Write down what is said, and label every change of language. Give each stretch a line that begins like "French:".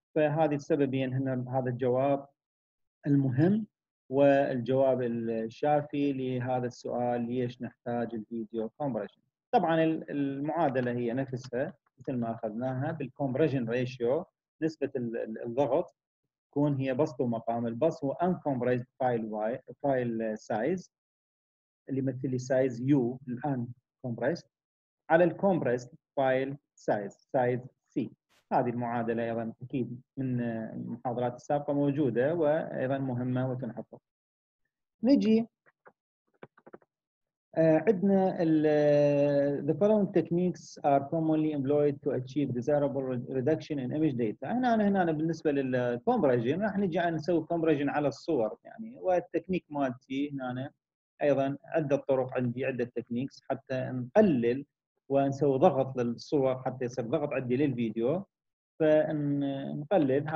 Arabic: فهذه السبب ان هنا هذا الجواب المهم والجواب الشافي لهذا السؤال، ليش نحتاج الفيديو كومبريشن. طبعا المعادله هي نفسها مثل ما اخذناها بالكومبريشن ريشيو، نسبه الضغط تكون هي بسط ومقام. البسط هو
English: uncompressed file size
Arabic: اللي مثل size U uncompressed على
English: compressed file size size C.
Arabic: هذه المعادلة أيضا أكيد من المحاضرات السابقة موجودة وأيضا مهمة وتنحفظ. نجي عندنا
English: the following techniques are commonly employed to achieve desirable reduction in image data.
Arabic: هنا بالنسبة للكومبريجن راح نجي نسوي كومبريجن على الصور يعني، والتكنيك مالتي هنا أيضا عدة طرق عندي، عدة techniques حتى نقلل ونسوي ضغط للصور حتى يصير ضغط عندي للفيديو، فنقلل.